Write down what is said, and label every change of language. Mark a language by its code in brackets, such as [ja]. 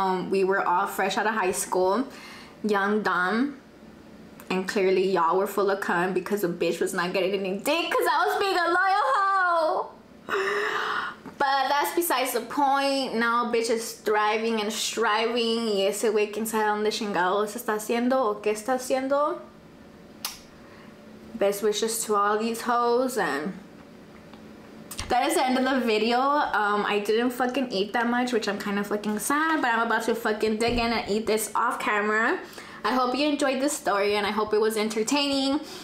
[en] We were all fresh out of high school, young, dumb. And clearly y'all were full of cum because a bitch was not getting any dick because I was being a loyal hoe. But that's besides the point. Now a bitch is thriving and striving. [es] Y ese güey, quién sabe dónde chingados está haciendo o qué está haciendo. [en] Best wishes to all these hoes. And that is the end of the video. I didn't fucking eat that much, which I'm kind of fucking sad. But I'm about to fucking dig in and eat this off camera. I hope you enjoyed this story and I hope it was entertaining.